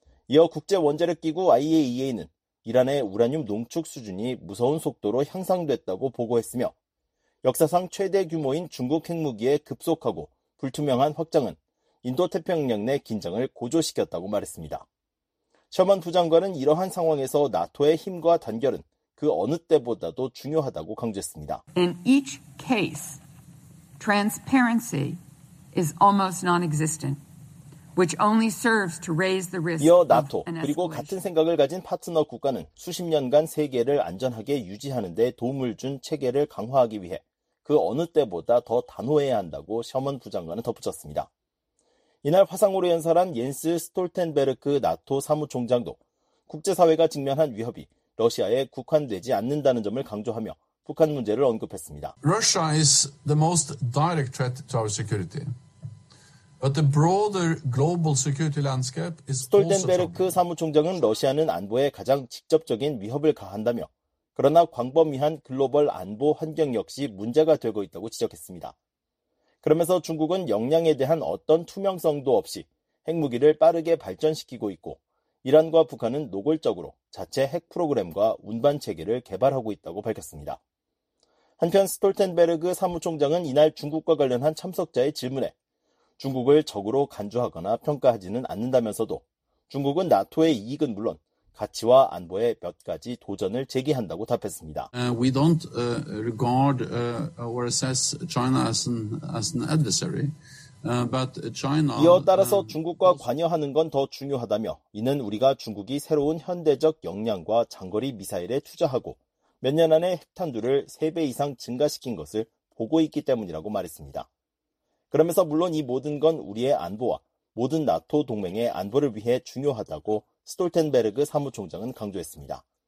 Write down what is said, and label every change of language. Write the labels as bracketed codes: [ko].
[ko] 이어 국제원자력기구 IAEA는 이란의 우라늄 농축 수준이 무서운 속도로 향상됐다고 보고했으며 역사상 최대 규모인 중국 핵무기의 급속하고 불투명한 확장은 인도태평양 내 긴장을 고조시켰다고 말했습니다. 셔먼 부장관은 이러한 상황에서 나토의 힘과 단결은 그 어느 때보다도 중요하다고 강조했습니다. [en] In each case, transparency is almost non-existent, which only serves to raise the risk. [ko] 이어 나토 그리고 같은 생각을 가진 파트너 국가는 수십 년간 세계를 안전하게 유지하는 데 도움을 준 체계를 강화하기 위해 그 어느 때보다 더 단호해야 한다고 셔먼 부장관은 덧붙였습니다. 이날 화상으로 연설한 옌스 스톨텐베르크 나토 사무총장도 국제사회가 직면한 위협이 러시아에 국한되지 않는다는 점을 강조하며 북한 문제를 언급했습니다. [en] Russia is the most direct threat to our security. But the broader global security landscape is [ko] 스톨텐베르크 사무총장은 러시아는 안보에 가장 직접적인 위협을 가한다며 그러나 광범위한 글로벌 안보 환경 역시 문제가 되고 있다고 지적했습니다. 그러면서 중국은 역량에 대한 어떤 투명성도 없이 핵무기를 빠르게 발전시키고 있고 이란과 북한은 노골적으로 자체 핵 프로그램과 운반 체계를 개발하고 있다고 밝혔습니다. 한편 스톨텐베르그 사무총장은 이날 중국과 관련한 참석자의 질문에 중국을 적으로 간주하거나 평가하지는 않는다면서도 중국은 나토의 이익은 물론 가치와 안보에 몇 가지 도전을 제기한다고 답했습니다. [en] We don't regard or assess China as an adversary. But China, [ko] 이어 따라서 중국과 관여하는 건 더 중요하다며 이는 우리가 중국이 새로운 현대적 역량과 장거리 미사일에 투자하고 몇 년 안에 핵탄두를 3배 이상 증가시킨 것을 보고 있기 때문이라고 말했습니다. 그러면서 물론 이 모든 건 우리의 안보와 모든 나토 동맹의 안보를 위해 중요하다고 스톨텐베르그 사무총장은 강조했습니다.